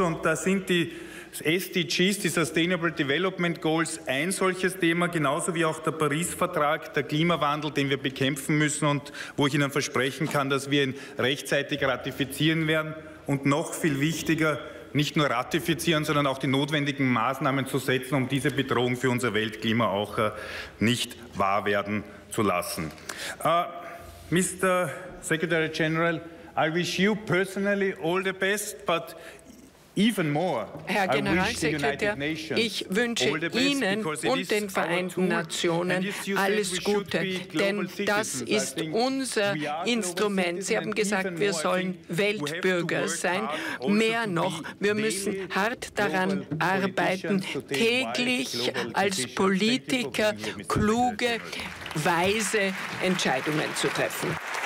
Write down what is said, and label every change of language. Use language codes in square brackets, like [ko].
[de] Und da sind die SDGs, die Sustainable Development Goals, ein solches Thema, genauso wie auch der Paris-Vertrag, der Klimawandel, den wir bekämpfen müssen und wo ich Ihnen versprechen kann, dass wir ihn rechtzeitig ratifizieren werden und noch viel wichtiger, nicht nur ratifizieren, sondern auch die notwendigen Maßnahmen zu setzen, um diese Bedrohung für unser Weltklima auch nicht wahr werden zu lassen. [en] Mr. Secretary General, I wish you personally all the best, but even more, [de] Herr Generalsekretär, ich wünsche Ihnen und den Vereinten Nationen alles Gute, denn das ist unser Instrument. Sie haben gesagt, wir sollen Weltbürger sein. Mehr noch, wir müssen hart daran arbeiten, täglich als Politiker kluge, weise Entscheidungen zu treffen.